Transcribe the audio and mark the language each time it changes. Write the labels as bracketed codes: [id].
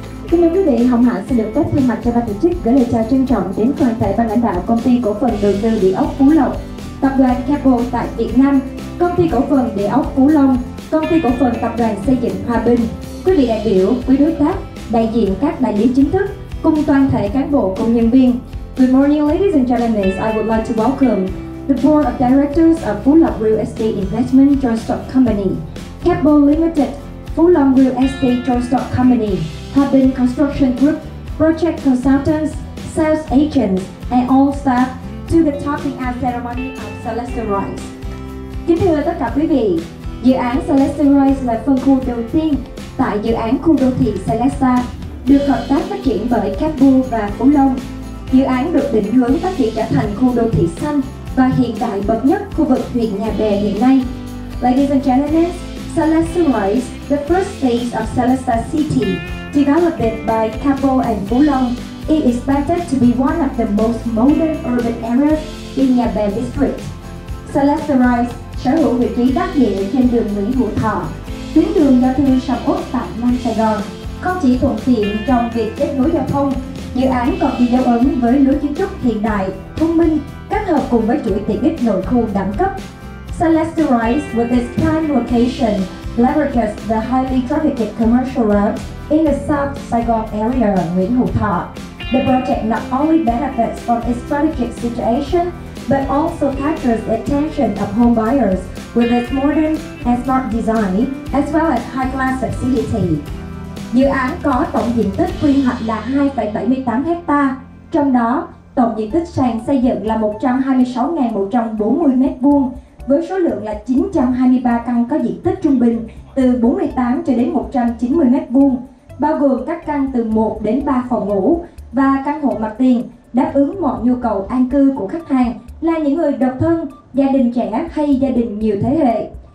[vi] Xin mời quý vị, Hồng Hạnh sẽ được phép thay mặt cho ban tổ chức gửi lời chào trân trọng đến toàn thể ban lãnh đạo công ty cổ phần đầu tư địa ốc Phú Long, tập đoàn Capital tại Việt Nam, công ty cổ phần địa ốc Phú Long, công ty cổ phần tập đoàn xây dựng Hòa Bình, quý vị đại biểu, quý đối tác, đại diện các đại lý chính thức cùng toàn thể cán bộ công nhân viên. [en] Good morning, ladies and gentlemen. I would like to welcome the board of directors of Phú Long Real Estate Investment Joint Stock Company, Capital Limited, Phú Long Real Estate Joint Stock Company, Hòa Bình Construction Group, Project Consultants, Sales Agents, and all staff to the talking and ceremony of Celestial Rise. [vi] Kính thưa tất cả quý vị, dự án Celestial Rise là phân khu đầu tiên tại dự án khu đô thị Celesta, được hợp tác phát triển bởi Capital và Phú Long. Dự án được định hướng phát triển trở thành khu đô thị xanh và hiện đại bậc nhất khu vực huyện Nhà Bè hiện nay. [en] Ladies and gentlemen, Celestial Rise, the first phase of Celesta City, developed by Capital and Phú Long, it is expected to be one of the most modern urban areas in Nhà Bè district. [vi] Celestial Rise sở hữu vị trí đắc địa trên đường Nguyễn Hữu Thọ, tuyến đường giao thương sầm uất tại Nam Sài Gòn. Không chỉ thuận tiện trong việc kết nối giao thông, dự án còn ghi dấu ấn với lối kiến trúc hiện đại, thông minh, kết hợp cùng với chuỗi tiện ích nội khu đẳng cấp. [en] Celestial Rise, with its prime location, leverages the highly trafficked commercial route in the South Saigon area, Nguyễn Hữu Thọ. The project not only benefits from its strategic situation, but also captures the attention of home buyers with its modern and smart design, as well as high-class facility. [vi] Dự án có tổng diện tích quy hoạch là 2,78 ha, trong đó tổng diện tích sàn xây dựng là 126.140 m², với số lượng là 923 căn có diện tích trung bình từ 48 cho đến 190 m², bao gồm các căn từ 1 đến 3 phòng ngủ và căn hộ mặt tiền, đáp ứng mọi nhu cầu an cư của khách hàng là những người độc thân, gia đình trẻ hay gia đình nhiều thế hệ.